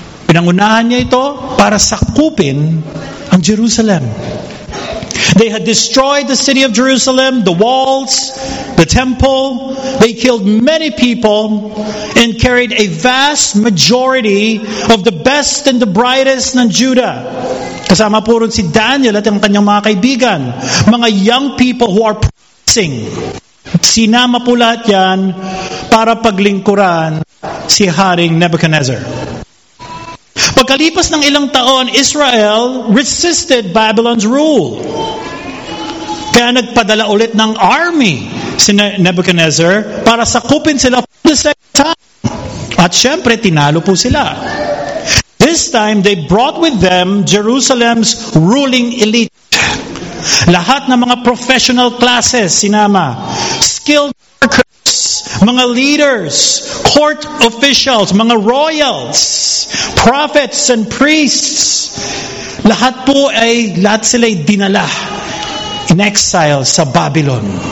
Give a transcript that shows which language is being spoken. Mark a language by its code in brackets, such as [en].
[tl] Pinangunahan niya ito para sakupin ang Jerusalem. [en] They had destroyed the city of Jerusalem, the walls, the temple. They killed many people and carried a vast majority of the best and the brightest ng Judah. [tl] Kasama po rin si Daniel at ang kanyang mga kaibigan. Mga [en] young people who are practicing. [tl] Sinama po lahat yan para paglingkuran si Haring Nebuchadnezzar. Pagkalipas ng ilang taon, [en] Israel resisted Babylon's rule. [tl] Kaya nagpadala ulit ng army si Nebuchadnezzar para sakupin sila [en] for the second time. [tl] At syempre, tinalo po sila. [en] This time, they brought with them Jerusalem's ruling elite. [tl] Lahat ng mga professional classes sinama. [en] Skilled workers, mga leaders, court officials, mga royals, prophets and priests. [tl] Lahat po ay, lahat sila ay dinala [en] in exile [tl] sa Babylon.